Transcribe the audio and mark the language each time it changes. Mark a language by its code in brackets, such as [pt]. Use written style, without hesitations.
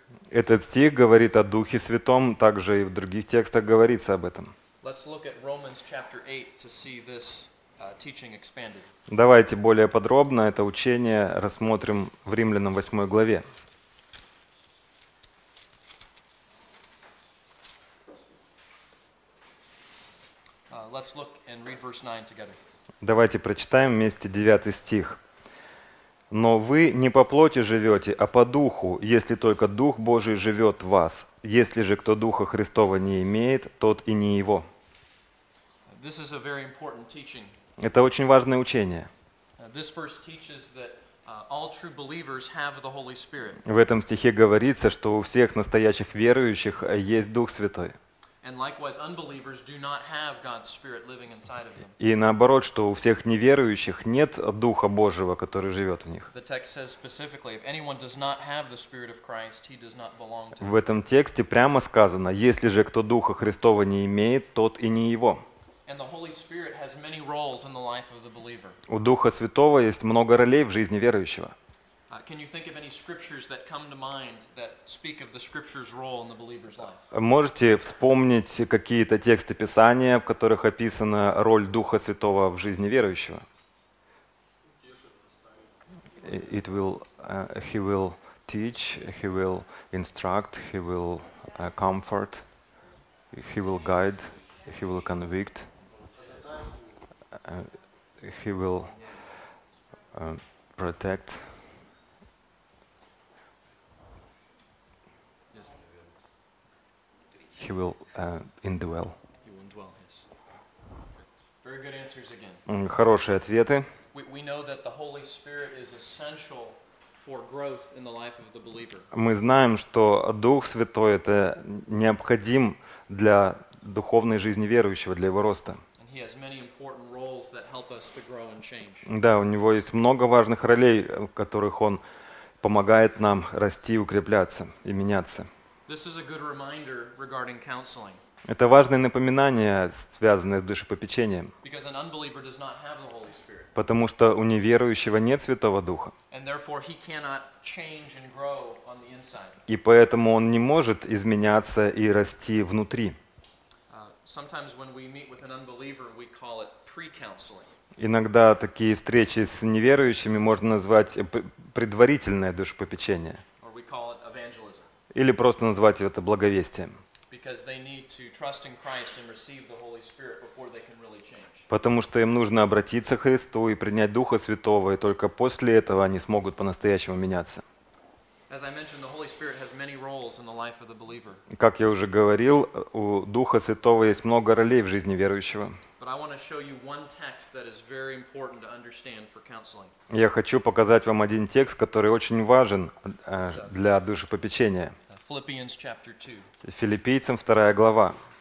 [ru] Этот стих говорит о Духе Святом, также и в других текстах говорится об этом. [en] Let's look at Romans chapter 8 to see this teaching expanded. [ru] Давайте более подробно это учение рассмотрим в Римлянам 8 главе. [en] Let's look and read verse 9 together. [ru] Давайте прочитаем вместе 9 стих. Но вы не по плоти живете, а по духу, если только Дух Божий живет в вас. Если же кто Духа Христова не имеет, тот и не его. [en] This is a very important teaching. [ru] Это очень важное учение. [en] This verse teaches that all true believers have the Holy Spirit. [ru] В этом стихе говорится, что у всех настоящих верующих есть Дух Святой. [en] And likewise, unbelievers do not have God's Spirit living inside of them. [ru] И наоборот, что у всех неверующих нет Духа Божьего, который живет в них. [en] The text says specifically, if anyone does not have the Spirit of Christ, he does not belong to [ru] him. В этом тексте прямо сказано, если же кто Духа Христова не имеет, тот и не его. [en] And the Holy Spirit has many roles in the life of the believer. [ru] У Духа Святого есть много ролей в жизни верующего. [en] Can you think of any scriptures that come to mind that speak of the scripture's role in the believer's life? [ru] Можете вспомнить какие-то тексты Писания, в которых описана роль Духа Святого в жизни верующего? [en] It will he will teach, he will instruct, he will comfort, he will guide, he will convict. He will protect. Yes. He will indwell. He will indwell. Yes. Very good answers again. [ru] Хорошие ответы. [en] We know that the Holy Spirit is essential for growth in the life of the believer. [ru] Мы знаем, что Дух Святой это необходим для духовной жизни верующего, для его роста. [en] And he has many important roles that help us to grow and change. [ru] Да, у него есть много важных ролей, в которых он помогает нам расти, укрепляться и меняться. [en] This is a good reminder regarding counseling. [ru] Это важное напоминание, связанное с душепопечением. [en] Because an unbeliever does not have the Holy Spirit. [ru] Потому что у неверующего нет Святого Духа. [en] And therefore he cannot change and grow on the inside. [ru] И поэтому он не может изменяться и расти внутри. [en] Sometimes when we meet with an unbeliever, we call it pre-counseling. [ru] Иногда такие встречи с неверующими можно назвать предварительное душепопечение. [en] Or we call it evangelism. [ru] Или просто назвать это благовестием. [en] Because they need to trust in Christ and receive the Holy Spirit before they can really change. [ru] Потому что им нужно обратиться к Христу и принять Духа Святого, и только после этого они смогут по-настоящему меняться. [en] As I mentioned, the Holy Spirit has many roles in the life of the believer. [ru] Как я уже говорил, у Духа Святого есть много ролей в жизни верующего. [en] But I want to show you one text that is very important to understand for counseling. [ru] Я хочу показать вам один текст, который очень важен для душепопечения. [en] Philippians chapter 2. [ru] Филиппийцам 2 глава.